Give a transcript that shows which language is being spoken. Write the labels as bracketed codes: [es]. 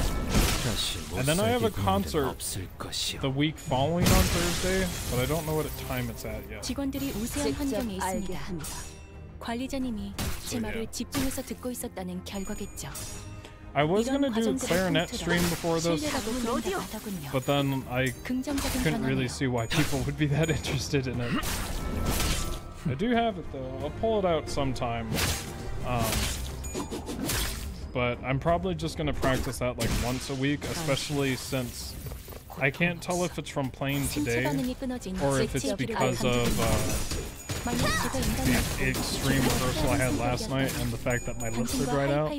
[en] And then I have a concert the week following on Thursday, but I don't know what time it's at yet. [ko] 직원들이 우세한 환경에 있습니다. 관리자님이 제 말을 집중해서 듣고 있었다는 결과겠죠. [en] I was gonna do a clarinet stream before this, but then I couldn't really see why people would be that interested in it. I do have it though. I'll pull it out sometime. But I'm probably just gonna practice that like once a week, especially since I can't tell if it's from playing today or if it's because of the extreme rehearsal I had last night and the fact that my lips are dried out.